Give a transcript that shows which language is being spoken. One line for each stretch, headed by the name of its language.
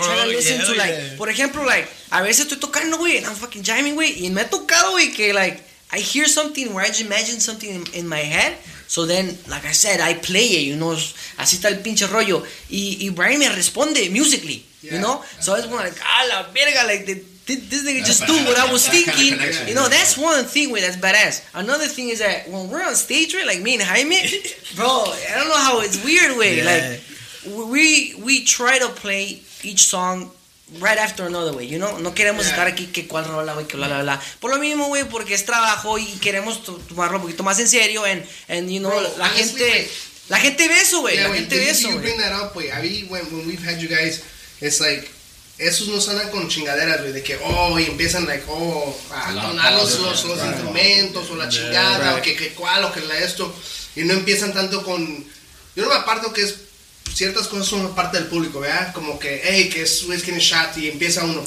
English: I try to listen to, like, for example, like,
Spanish: a veces estoy tocando, güey,
English: and I'm fucking jamming, güey,
Spanish: y me ha tocado, güey, que,
English: like, I hear something where I just imagine something in my head, so then, like I said, I play it, you know,
Spanish: así está el pinche rollo, y Brian me responde
English: musically, yeah, you know, so I was like,
Spanish: a la verga,
English: like, this nigga just do what I was thinking. You know, that's one thing, wey, that's badass. Another thing is that when we're on stage, right, like me and Jaime, bro, I don't know how it's weird, wey. Yeah. Like, we try to play each song right after another, wey, you know?
Spanish: No queremos estar aquí, que cual rola, wey, que bla, bla, bla. Por lo mismo, wey, porque es trabajo y queremos tomarlo un poquito más en serio.
English: And you know, bro,
Spanish: la gente... La gente ve eso, wey.
English: Yeah,
Spanish: la gente ve eso,
English: you bring that up, wey. I mean, when we've had you guys, it's like...
Spanish: Esos no salen con chingaderas, güey, de que, oh, y empiezan, like, oh, a tonar los instrumentos, o la chingada, o que cual, o que la esto, y no empiezan tanto con, yo no me aparto que es, ciertas cosas son parte del público, ¿verdad? Como que, hey, que es
English: whisky and shot,
Spanish: y empieza uno.